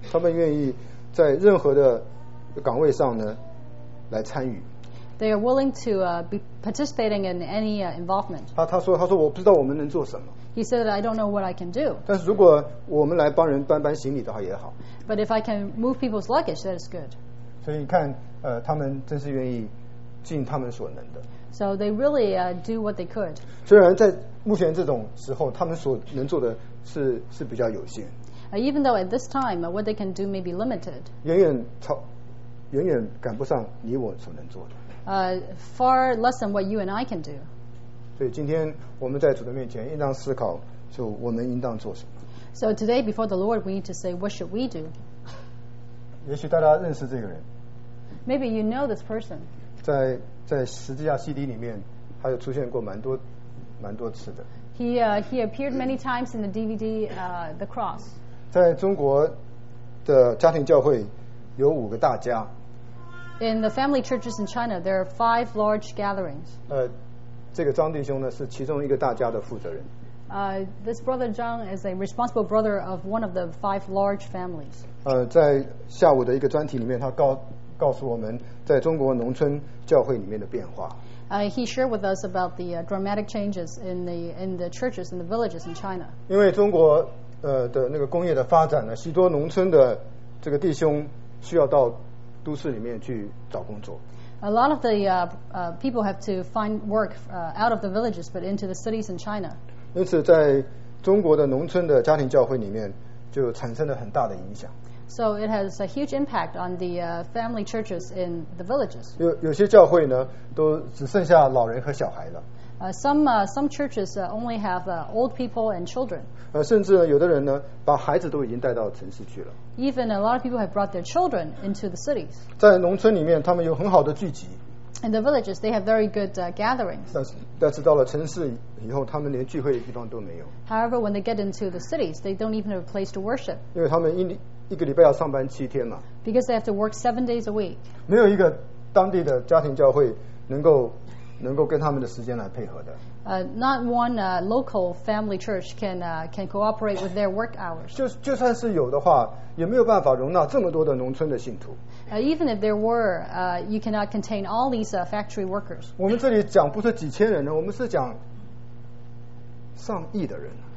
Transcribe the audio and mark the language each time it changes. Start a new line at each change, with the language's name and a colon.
Chinese: 他们愿意在任何的岗位上呢来参与。
English: They are willing to be participating in any involvement.
Chinese: 他说我不知道我们能做什么。
English: He said that I don't know what I can do.
Chinese: 但是如果我们来帮人搬搬行李的话也好。
English: But if I can move people's luggage, that is good.
Chinese: 所以你看，他们真是愿意尽他们所能的。
English: So they really do what they could.
Chinese: 虽然在目前这种时候，他们所能做的是比较有限。
English: Even though at this time what they can do may be limited.
Chinese: 远远赶不上你我所能做的。
English: Far less than what you and I can do.
Chinese: 所以今天我们在主的面前应当思考，就我们应当做什么。
English: So today before the Lord, we need to say, what should we do?
Chinese: 也许大家认识这个人。
English: Maybe you know this person.
Chinese: 在十字架 CD 里面，他有出现过蛮多次的。
English: He appeared many times in the DVD, The Cross.
Chinese: 在中国的家庭教会有五个大家。
English: In the family churches in China, there are five large gatherings.
Chinese: 这个张弟兄呢是其中一个大家的负责人。
English: This brother Zhang is a responsible brother of one of the five large families.
Chinese: 在下午的一个专题里面，他告诉我们在中国农村教会里面的变化。
English: He shared with us about the dramatic changes in the churches in the villages in China.
Chinese: 因为中国的那个工业的发展呢，许多农村的这个弟兄需要到都市里面去找工作。
English: A lot of the people have to find work out of the villages, but into the cities in China.
Chinese: 因此，在中国的农村的家庭教会里面，就产生了很大的影响。
English: So it has a huge impact on the family churches in the villages.
Chinese: 有些教会呢，都只剩下老人和小孩了。
English: Some churches only have old people and children.
Chinese: 甚至有的人呢，把孩子都已经带到城市去了。
English: Even a lot of people have brought their children into the cities.
Chinese: 在农村里面，他们有很好的聚集。
English: In the villages, they have very good gatherings.
Chinese: 但是到了城市以后，他们连聚会的地方都没有。
English: However, when they get into the cities, they don't even have a place to worship.
Chinese: 因为他们一个礼拜要上班七天嘛。
English: Because they have to work 7 days a week.
Chinese: 没有一个当地的家庭教会能够跟他们的时间来配合的。
English: Not one local family church can cooperate with their work hours.
Chinese: 就算是有的话，也没有办法容纳这么多的农村的信徒。
English: Even if there were, you cannot contain all these factory workers.
Chinese: 我们这里讲不是几千人呢，我们是讲上亿的人。